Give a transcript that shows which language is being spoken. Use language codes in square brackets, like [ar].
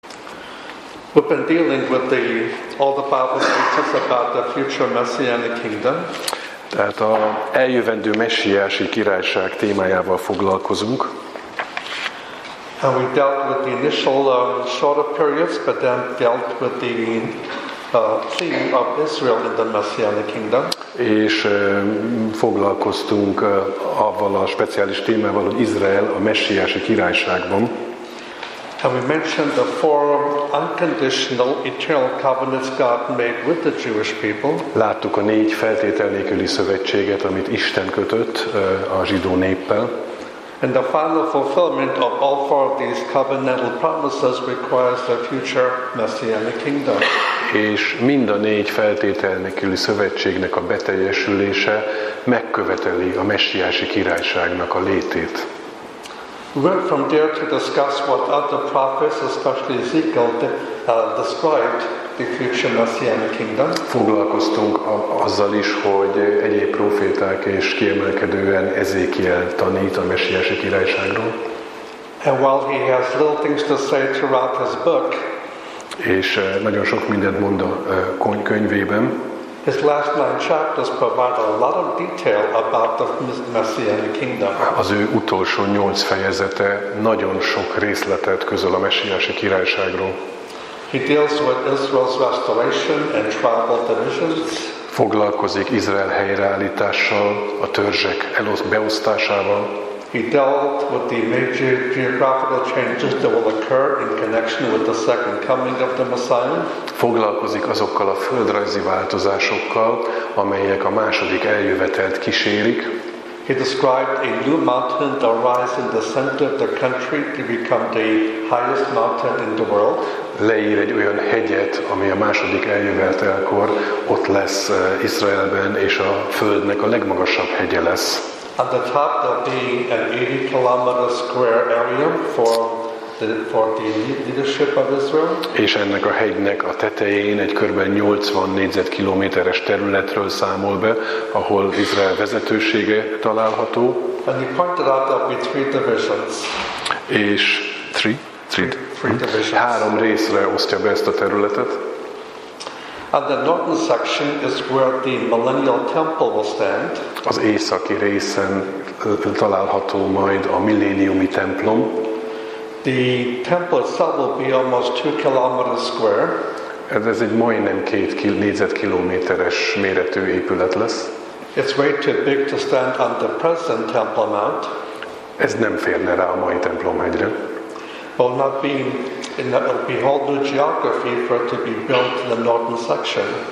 [en] We've been dealing with all the Bible teaches about the future messianic kingdom. [hu] Tehát a eljövendő messiási királyság témájával foglalkozunk. [en] And we dealt with the initial shorter periods, but then dealt with the theme of Israel in the messianic kingdom. [hu] És foglalkoztunk avval a speciális témával, hogy Izrael a messiási királyságban. [en] And we mentioned the four unconditional eternal covenants God made with the Jewish people. [hu] Láttuk a négy feltétel nélküli szövetséget, amit Isten kötött a zsidó néppel. [en] And the final fulfillment of all four of these covenantal promises requires the future messianic kingdom. [hu] És mind a négy feltétel nélküli szövetségnek a beteljesülése megköveteli a messiási királyságnak a létét. [en] We went from there to discuss what other prophets, especially Ezekiel, described the future messianic kingdom. [hu] Foglalkoztunk azzal is, hogy egyéb proféták és kiemelkedően Ezékiel tanít a messiási királyságról. [en] And while he has little things to say throughout his book, [hu] és nagyon sok mindent mond a könyvében, [en] his last nine chapters provide a lot of detail about the messianic kingdom. [hu] Az ő utolsó nyolc fejezete nagyon sok részletet közöl a messiási királyságról. [en] He deals with Israel's restoration and tribal divisions. [hu] Foglalkozik Izrael helyreállítással, a törzsek beosztásával. [en] He dealt with the major geographical changes that will occur in connection with the second coming of the Messiah. [hu] Foglalkozik azokkal a földrajzi változásokkal, amelyek a második eljövetelt kísérik. [en] He described a new mountain that rise in the center of the country to become the highest mountain in the world. [hu] Leír egy olyan hegyet, ami a második eljövetelkor ott lesz Izraelben, és a földnek a legmagasabb hegye lesz. [en] At the top there'll be an 80 kilometer square area for the leadership of Israel. [hu] És ennek a hegynek a tetején egy kb. 80 négyzetkilométeres területről számol be, ahol Izrael vezetősége található. [en] And he pointed out there'll be three divisions. [hu] És [en] three divisions. [hu] Három részre osztja be ezt a területet. [en] And the northern section is where the millennial temple will stand. [hu] Az északi részen található majd a milléniumi templom. [en] The temple itself will be almost 2 kilometers square. [hu] Ez egy majdnem 2 négyzetkilométeres méretű épület lesz. [en] It's way too big to stand on the present temple mount. [hu] Ez nem férne rá a mai templomhegyre. [en] Will not be in the behold new geography for it to be built in the northern section.